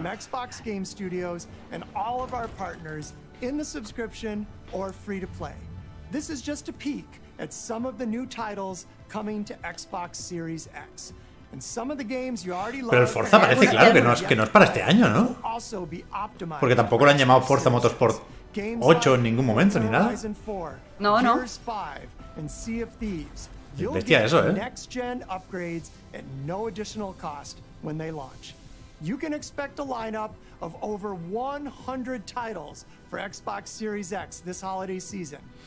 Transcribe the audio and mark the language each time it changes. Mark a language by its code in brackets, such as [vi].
[en] From Xbox Game Studios and all of our partners in the subscription or free to play. This is just a peek at some of the new titles coming to Xbox Series X. And some of the games you already love. [es] Pero el Forza parece claro que no es para este año, ¿no? Porque tampoco lo han llamado Forza Motorsport 8 en ningún momento ni nada. No, no. And Sea of Thieves. Bestia eso, ¿eh? [en] Next gen upgrades at no additional cost when they launch. You can expect a lineup of over 100 titles for Xbox Series X this holiday season.